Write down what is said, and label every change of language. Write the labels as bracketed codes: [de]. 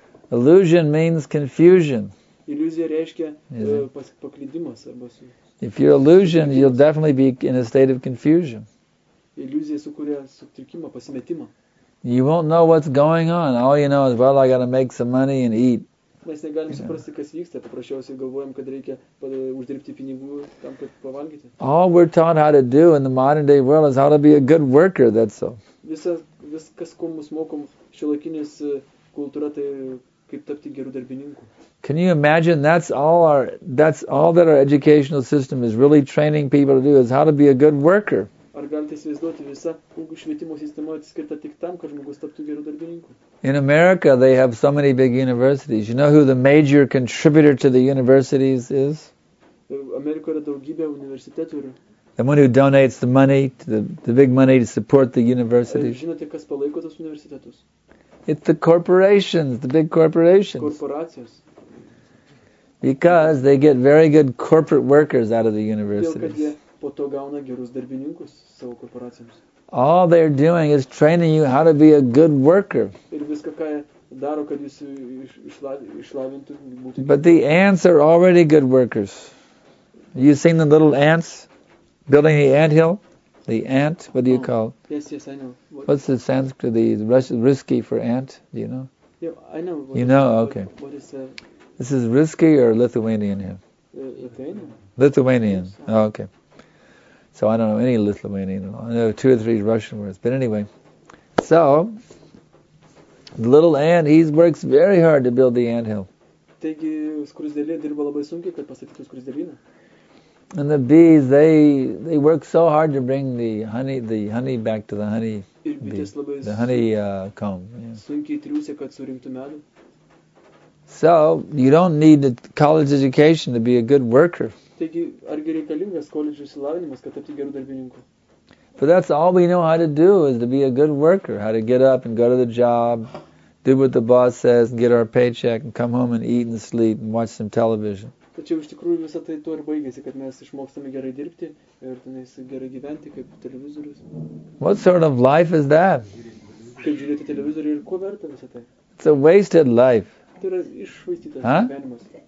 [en] Illusion means confusion. If you're illusion, you'll definitely be in a state of confusion. You won't know what's going on. All you know is, well, I got to make some money and eat. [lt] Mes negalim suprasti, kas vyksta. Paprasčiausiai galvojam, kad reikia uždirbti pinigų tam, kad pavalgyti. [en] All we're taught how to do in the modern day world is how to be a good worker, that's all. [lt] Viskas, ko mus mokom šiuolaikinės kultūra, tai kaip tapti geru darbininku. [en] Can you imagine that's all that our educational system is really training people to do is how to be a good worker. [lt] Ar galite įsivaizduoti visą švietimo sistemą atskirta tik tam, kad žmogus taptų geru darbininku. [en] In America they have so many big universities. You know who the major contributor to the universities is? [lt] Amerikoje yra daugybė universitetų ir [en] the one who donates the money, the big money to support the universities. [lt] Žinote, kas palaiko tos universitetus? [en] It's the corporations, the big corporations. [lt] Korporacijos. [en] Because they get very good corporate workers out of the universities. [lt] Todėl, kad jie po to gauna gerus darbininkus savo korporacijoms. [en] All they're doing is training you how to be a good worker. [lt] Ir viską, ką daro, kad jūs išlavintų būti. [en] But the ants are already good workers. You seen the little ants building the anthill? The ant, what do you call? Yes, I know. What's the Sanskrit, the risky for ant, do you know? Yeah, I know. Okay. This is risky or Lithuanian here? Lithuanian. Lithuanian, okay. So I don't know any Lithuanian at all. I know two or three Russian words, but anyway. So, the little ant, he works very hard to build the anthill. [lt] Taigi, skruzdėlė dirba labai sunkiai, kad pastatytų skruzdėlyną. [en] And the bees, they work so hard to bring the honey back to the honey bee, the honey comb. Yeah. So you don't need a college education to be a good worker. But that's all we know how to do is to be a good worker, how to get up and go to the job, do what the boss says and get our paycheck and come home and eat and sleep and watch some television. [lt] Tačiau iš tikrųjų visą tai to ir baigėsi, kad mes išmokstame gerai dirbti ir tenais gerai gyventi kaip televizorius. [en] What sort of life is that? [lt] Kaip žiūrėti televizorių ir kuo verta visą tai? [en] It's a wasted life. [lt] Tai yra iššvaistytas gyvenimas.